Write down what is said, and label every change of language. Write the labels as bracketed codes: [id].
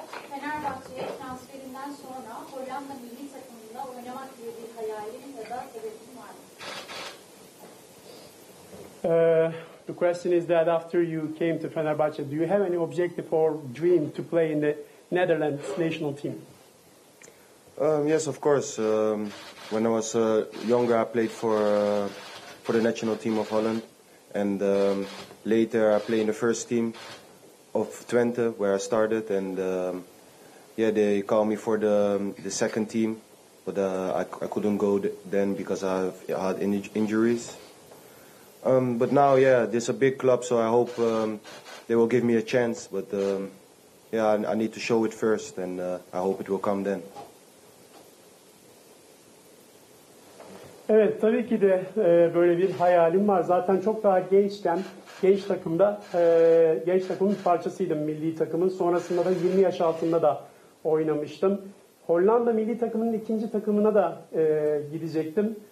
[tr] Fenerbahçe'ye transferinden sonra Hollanda milli takımında oynamak gibi bir hayalin ya da hedefin var mı? [en] The question is that after you came to Fenerbahçe, do you have any objective or dream to play in the Netherlands national team? Yes, of course. When I was younger, I played for the national team of Holland, and later I played in the first team of Twente, where I started. And they called me for the second team, but I couldn't go then because I had injuries. But now, this is a big club, so I hope they will give me a chance. But I need to show it first, and I hope it will come then. [tr] Evet, tabii ki de böyle bir hayalim var. Zaten çok daha gençken, genç takımın parçasıydım milli takımın. Sonrasında da 20 yaş altında da oynamıştım. Hollanda milli takımının ikinci takımına da gidecektim.